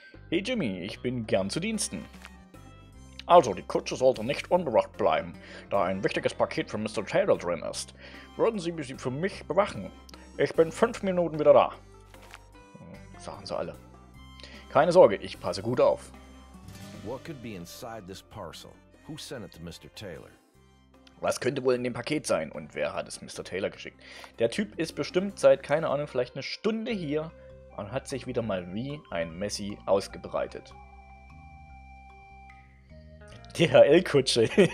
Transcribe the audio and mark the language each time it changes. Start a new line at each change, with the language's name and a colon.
German: Hey Jimmy, ich bin gern zu Diensten. Also, die Kutsche sollte nicht unbewacht bleiben, da ein wichtiges Paket für Mr. Taylor drin ist. Würden Sie sie für mich bewachen? Ich bin 5 Minuten wieder da. Sagen sie alle. Keine Sorge, ich passe gut auf.
English: What could be inside this parcel? Who sent it to Mr. Taylor?
German: Was könnte wohl in dem Paket sein und wer hat es Mr. Taylor geschickt? Der Typ ist bestimmt seit, keine Ahnung, vielleicht eine Stunde hier und hat sich wieder mal wie ein Messi ausgebreitet. DHL-Kutsche.